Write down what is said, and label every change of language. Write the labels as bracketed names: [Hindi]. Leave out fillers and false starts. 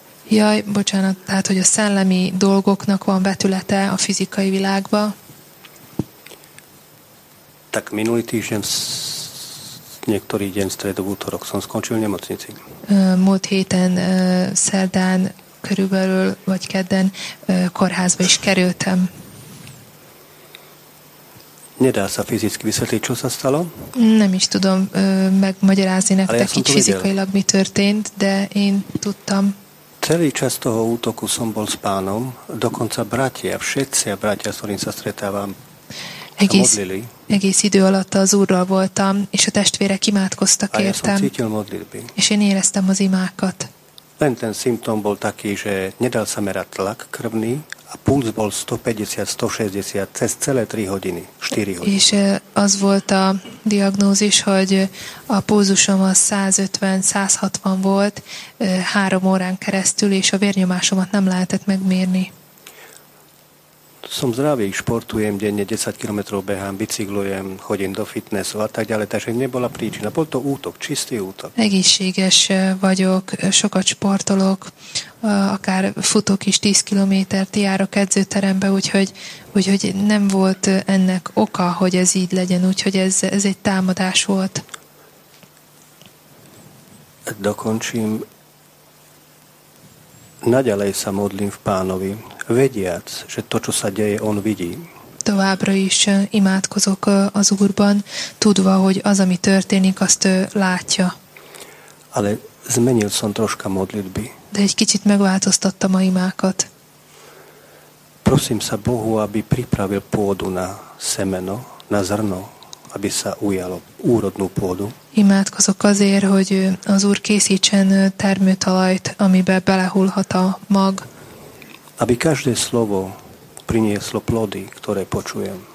[Hungarian] Jaj, bocsánat, tehát, hogy a szellemi dolgoknak van vetülete a fizikai világba. [Slovak] Tak minulý týždeň, niektorý deň, stredo, útorok, som skončil v nemocnici. [Hungarian] Múlt héten, szerdán, körülbelül, vagy kedden, kórházba is kerültem. [Slovak] Nedá sa fyzicky vysvetliť, čo sa stalo? [Hungarian] Nem is tudom megmagyarázni nektek így fizikailag, mi történt, de én tudtam. [Slovak] Celý čas toho útoku som bol s pánom, dokonca bratia, všetci a bratia, s ktorým sa stretávam, [Hungarian] egész, egész idő alatt az Úrral voltam, és a testvérek imádkoztak értem. És én éreztem az imákat. [Slovak] Len ten szimptom bol taký, že nedal sa merať tlak krvný a puls bol 150-160 cez celé 3 hodiny, 4 hodiny. [Hungarian] És az volt a diagnózis, hogy a pulzusom az 150-160 volt 3 órán keresztül, és a vérnyomásomat nem lehetett megmérni. [Slovak] Som zdravý, športujem denne 10 km, behám, biciklujem, chodím do fitnessu a tak ďalej, takže nebola príčina. Bol to útok, čistý útok. [Hungarian] Egészséges vagyok, sokat sportolok, akár futok is 10 km-t, járok edzőterembe, úgyhogy nem volt ennek oka, hogy ez így legyen, úgyhogy ez egy támadás volt. [Slovak] Dokončím. Naďalej sa modlím v Pánovi, vediac, že to, čo sa deje, on vidí. [Hungarian] Továbbra is imádkozok az Úrban, tudva, hogy az, ami történik, azt látja. [Slovak] Ale zmenil som troška modlitby. [Hungarian] De egy kicsit megváltoztattam a imákat. [Slovak] Prosím sa Bohu, aby pripravil pôdu na semeno, na zrno, aby sa ujalo úrodnú pôdu. [Hungarian] Imádkozok azért, hogy az Úr készítsen termőtalajt, amibe belehullhat a mag. [Slovak] Aby každé slovo prinieslo plody, ktoré počujem.